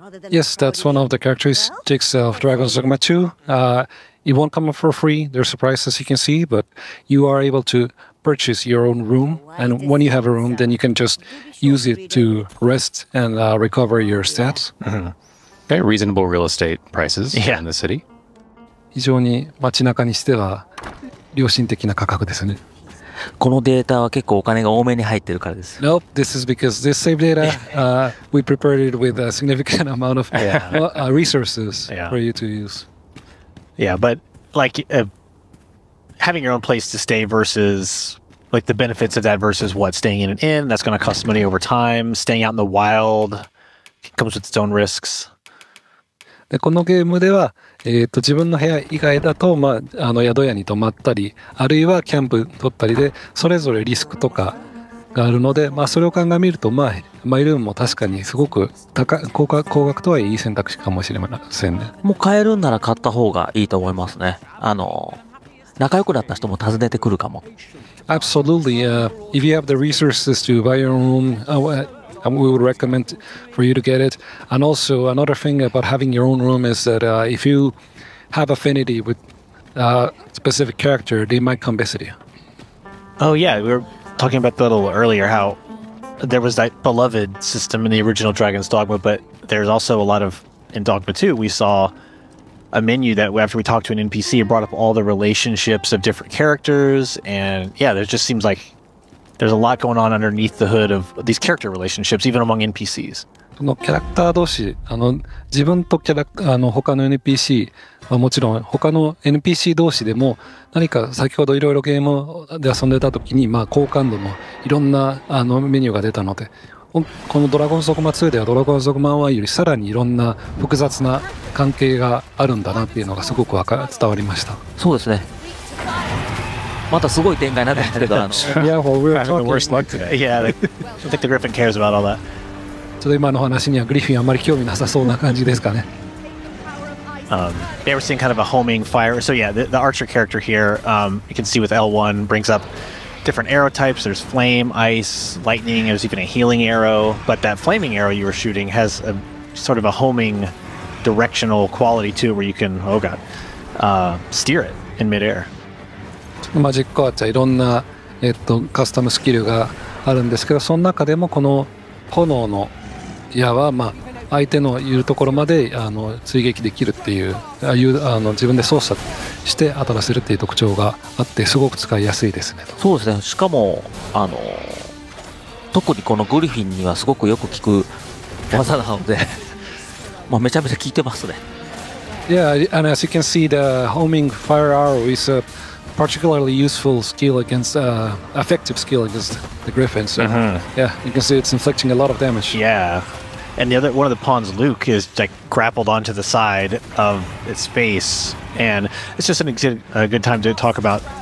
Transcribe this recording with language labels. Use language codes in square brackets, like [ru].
[en] Yes, that's one of the characteristics of Dragon's Dogma 2. It won't come up for free. There's a price, as you can see, but you are able to purchase your own room, and when you have a room, then you can just use it to rest and recover your stats. Mm-hmm. Okay, reasonable real estate prices in the city. [ja] 非常に街中にしては良心的な価格ですね。このデータは結構お金が多めに入ってるからです。 [en] No, this is because this same data, we prepared it with a significant amount of resources for you to use. Yeah, but like having your own place to stay versus like the benefits of that versus what staying in an inn that's going to cost money over time, staying out in the wild comes with its own risks. [ja] でこのゲームでは自分の部屋以外だと、まあ、あの宿屋に泊まったりあるいはキャンプ取ったりでそれぞれリスクとかがあるので、まあ、それを考えると、まあ、マイルームも確かにすごく高額とはいい選択肢かもしれませんね。もう買えるんなら買った方がいいと思いますね。あの仲良くなった人も訪ねてくるかも。 [en] Absolutely. If you have the resources to buy your own we would recommend for you to get it. And also another thing about having your own room is that if you have affinity with a specific character, they might come visit you. Oh yeah, we were talking about that a little earlier, how there was that beloved system in the original Dragon's Dogma, but there's also a lot of, in Dogma 2, we saw a menu that after we talked to an NPC, it brought up all the relationships of different characters. And yeah, there just seems like there's a lot going on underneath the hood of these character relationships, even among NPCs. [ja] このキャラクター同士、あの自分とキャラあの他の NPC はもちろん他の NPC 同士でも何か先ほどいろいろゲームで遊んでた時に、まあ、好感度のいろんなあのメニューが出たので、このドラゴンズドグマ2ではドラゴンズドグマ1よりさらにいろんな複雑な関係があるんだなっていうのがすごく伝わりました。そうですね。またすごい展開になってるから [en] ね。Yeah, well, we're having the worst luck today. Yeah, I think the griffin cares about all that. [ja] ちょっと今の話にはグリフィンあまり興味なさそうな感じですかね。 [en] They were seeing kind of a homing fire. So yeah, the archer character here, you can see with L1 brings up different arrow types. There's flame, ice, lightning. There's even a healing arrow. But that flaming arrow you were shooting has a sort of a homing directional quality too, where you can, oh god, steer it in midair. [ja] マジックアーチャーいろんな、カスタムスキルがあるんですけど、その中でもこの炎の矢は、まあ、相手のいるところまであの追撃できるっていう、あの自分で操作して当たらせるっていう特徴があってすごく使いやすいですね。そうですね。しかもあの特にこのグリフィンにはすごくよく効く技なのでまあめちゃめちゃ効いてますね。 [en] Yeah, and as you can see the homing fire arrow is aparticularly useful skill against effective skill against the griffin. So yeah, you can see it's inflicting a lot of damage. Yeah, and the other one of the pawns, Luke, is like grappled onto the side of its face, and it's just a good time to talk about.